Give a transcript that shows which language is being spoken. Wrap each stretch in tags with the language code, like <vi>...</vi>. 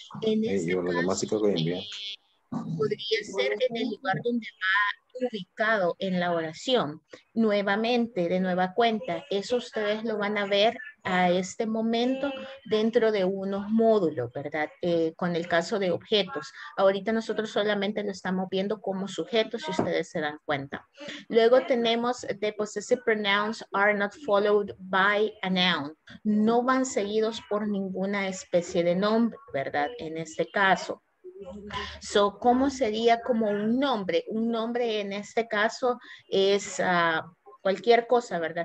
<es>en podría ser en el lugar donde va ubicado en la oración. Nuevamente, de nueva cuenta, eso ustedes lo van a ver a este momento dentro de unos módulos, ¿verdad? Con el caso de objetos. Ahorita nosotros solamente lo estamos viendo como sujetos, si ustedes se dan cuenta. Luego tenemos</es> <en>the possessive pronouns are not followed by a noun.</en> <es>No van seguidos por ninguna especie de nombre, ¿verdad? En este caso. So, ¿cómo sería como un nombre? Un nombre en este caso es cualquier cosa, ¿verdad?</es>